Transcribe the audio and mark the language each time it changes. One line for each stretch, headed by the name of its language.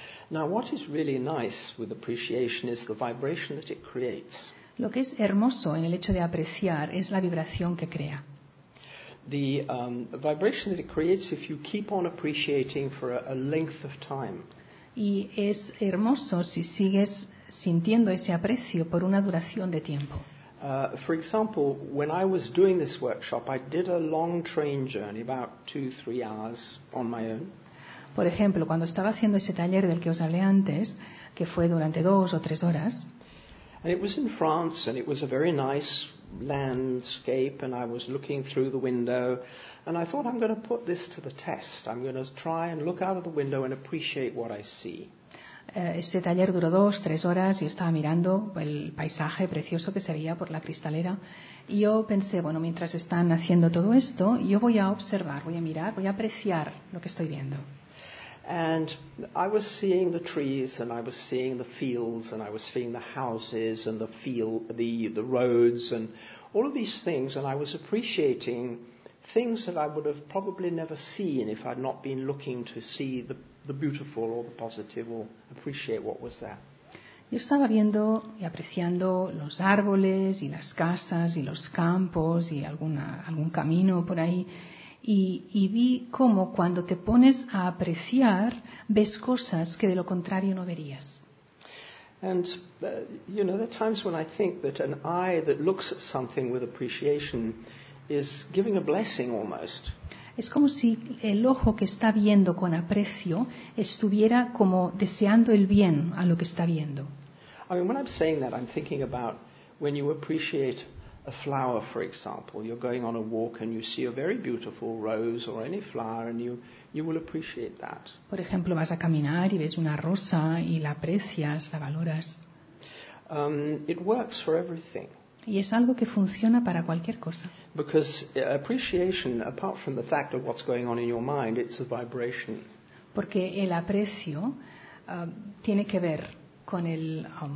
English: Now, what is really nice with appreciation is the vibration that it creates.
Spanish: Lo que es hermoso en el hecho de apreciar es la vibración que crea.
English: The vibration that it creates if you keep on appreciating for a length of time.
Spanish: Y es hermoso si sigues sintiendo ese aprecio por una duración de tiempo.
English: For example, when I was doing this workshop, I did a long train journey, about 2-3 hours on my own.
Spanish: Por ejemplo, cuando estaba haciendo ese taller del que os hablé antes, que fue durante 2 o 3 horas.
English: And it was in France, and it was a very nice landscape, and I was looking through the window, and I thought, I'm going to put this to the test. I'm going to try and look out of the window and appreciate what I see.
Spanish: Ese taller duró 2-3 horas, y yo estaba mirando el paisaje precioso que se veía por la cristalera, y yo pensé, bueno, mientras están haciendo todo esto, yo voy a observar, voy a mirar, voy a apreciar lo que estoy viendo.
English: And I was seeing the trees, and I was seeing the fields, and I was seeing the houses and the roads and all of these things, and I was appreciating things that I would have probably never seen if I'd not been looking to see the beautiful or the positive or appreciate what was there.
Spanish: Yo estaba viendo y apreciando los árboles y las casas y los campos y algún camino por ahí. Y vi cómo cuando te pones a apreciar, ves cosas que de lo contrario no verías.
English: And, you know, there are times when I think that an eye that looks at something with appreciation is giving a blessing almost.
Spanish: Es como si el ojo que está viendo con aprecio estuviera como deseando el bien a lo que está viendo.
English: I mean, when I'm saying that, I'm thinking about when you appreciate a flower, for example. You're going on a walk and you see a very beautiful rose or any flower, and you will appreciate that.
Spanish: Por ejemplo, vas a caminar y ves una rosa y la aprecias, la valoras.
English: It works for everything.
Spanish: Y es algo que funciona para cualquier cosa.
English: Because appreciation, apart from the fact of what's going on in your mind, it's a vibration.
Spanish: Porque el aprecio tiene que ver con el